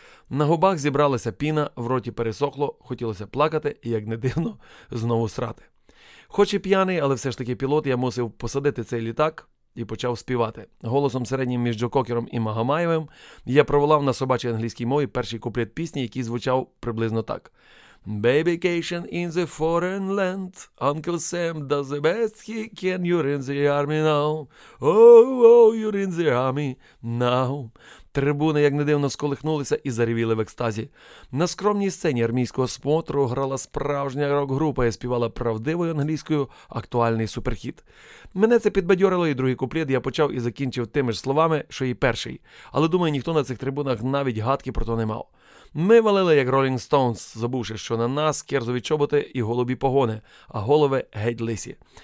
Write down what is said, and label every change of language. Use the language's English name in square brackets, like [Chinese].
[Ukrainian] На губах зібралася піна, в роті пересохло, хотілося плакати і, як не дивно, знову срати. Хоч і п'яний, але все ж таки пілот, я мусив посадити цей літак і почав співати. Голосом середнім між Джо Кокером і Магомаєвим я проволав на собачій англійській мові перший куплет пісні, який звучав приблизно так. [English] «Babycation in the foreign land, Uncle Sam does the best he can, you're in the army now, oh, oh, you're in the army now». [Ukrainian] Трибуни, як не дивно, сколихнулися і заревіли в екстазі. На скромній сцені армійського смотру грала справжня рок-група і співала правдивою англійською актуальний суперхіт. Мене це підбадьорило, і другий куплет я почав і закінчив тими ж словами, що і перший. Але, думаю, ніхто на цих трибунах навіть гадки про то не мав. Ми валили, як Rolling Stones, забувши, що на нас кірзові чоботи і голубі погони, а голови геть лисі.